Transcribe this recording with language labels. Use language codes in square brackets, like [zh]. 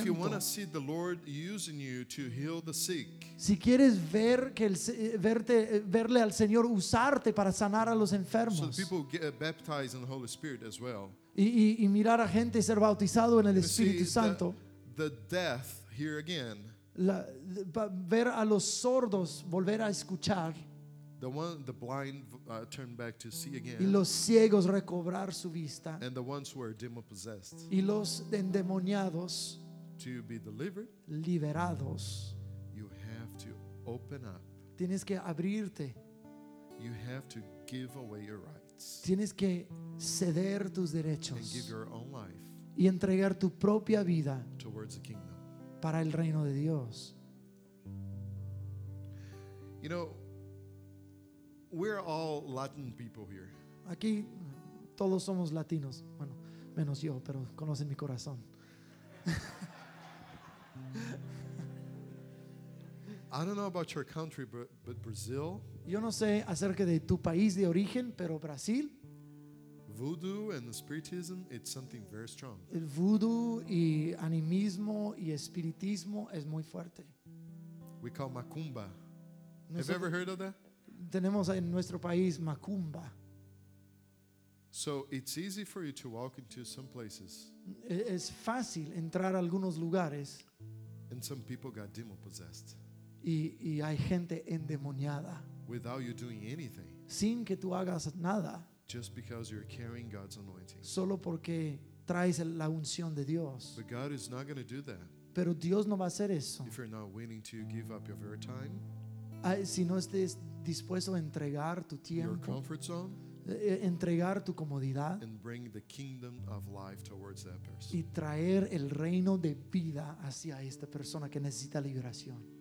[en] If you want to see the Lord using you to heal the sick. [es] Si quieres verle al Señor usarte para sanar a los enfermos. [en] So people get baptized in the Holy Spirit as well. [es] Y mirar a gente ser bautizado en el Espíritu Santo. [en] The deaf here again. [es] Ver a los sordos volver a escuchar. [en] The blind turn back to see again. [es] Y los ciegos recobrar su vista. [en] And the ones who are demon possessed. [es] Y los endemoniados. [en] To be delivered. [es] Liberados. [en] You have to open up. [es] Tienes que abrirte. [en] You have to give away your rights. [es] Tienes que ceder tus derechos. [en] And give your own life. [es] Y entregar tu propia vida. [en] Towards the kingdom. [es] Para el reino de Dios. [en] You know, we're all Latin people here. [es] Aquí todos somos latinos. Bueno, menos yo, pero conocen mi corazón. [en] I don't know about your country, but Brazil. [es] Yo no sé acerca de tu país de origen, pero Brasil. [en] Voodoo and spiritism, it's something very strong. [es] El vudú y animismo y espiritismo es muy fuerte. [en] we call macumba. Have you ever heard of that? [es] Tenemos en nuestro país macumba. [en] So it's easy for you to walk into some places. [es] Es fácil entrar a algunos lugares. [en] And some people got demon possessed. [es] Y hay gente endemoniada. [en] Without you doing anything. [es] Sin que tú hagas nada. [en] Just because you're carrying God's anointing. [es] Solo porque traes la unción de Dios. [en] But God is not going to do that. [es] Pero Dios no va a hacer eso. [en] If you're not willing to give up your time. [es] Si no estés dispuesto a entregar tu tiempo. [en] Your comfort zone. [es] Entregar tu comodidad. [en] And bring the kingdom of life towards that person. [es] Y traer el reino de vida hacia esta persona que necesita liberación.